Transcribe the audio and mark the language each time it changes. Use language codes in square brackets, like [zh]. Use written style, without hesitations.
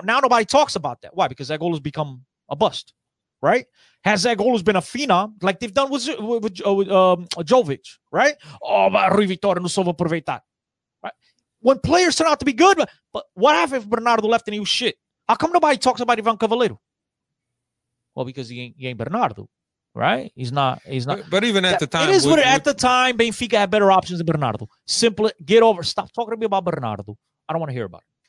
[en] Now nobody talks about that. Why? Because Zach Golus become a bust, right? Has Zach Golus been a phenom like they've done with Jovic, right? Oh, but [pt] Rui Vitória não soube aproveitar. [en] When players turn out to be good, but what happened if Bernardo left and he was shit? How come nobody talks about Ivan Cavaleiro? Well, because he ain't Bernardo, right? He's not. But even at the time. At the time, Benfica had better options than Bernardo. Simply get over. Stop talking to me about Bernardo. I don't want to hear about it.